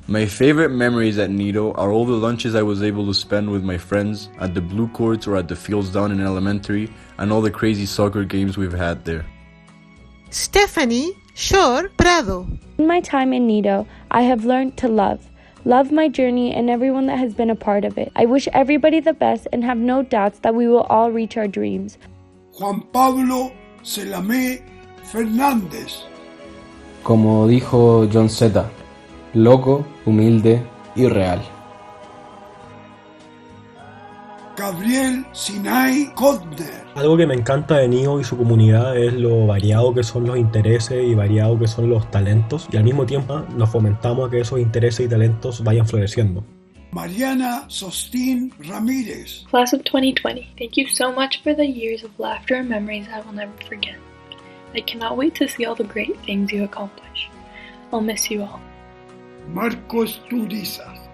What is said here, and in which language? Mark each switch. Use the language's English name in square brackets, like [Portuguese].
[English] My favorite memories at Nido are all the lunches I was able to spend with my friends at the blue courts or at the fields down in elementary, and all the crazy soccer games we've had there. [Spanish] Stephanie Shore Prado. [English] In my time in Nido, I have learned to love. Love my journey and everyone that has been a part of it. I wish everybody the best and have no doubts that we will all reach our dreams. [Spanish] Juan Pablo Selamé Fernández. Como dijo John Zeta, loco, humilde y real. Gabriel Sinai Kodner. Algo que me encanta de Nido y su comunidad es lo variado que son los intereses y variado que son los talentos. Y al mismo tiempo nos fomentamos a que esos intereses y talentos vayan floreciendo. Mariana Sostin Ramírez. [English] Class of 2020, thank you so much for the years of laughter and memories I will never forget. I cannot wait to see all the great things you accomplish. I'll miss you all. [Spanish] Marcos Turiza.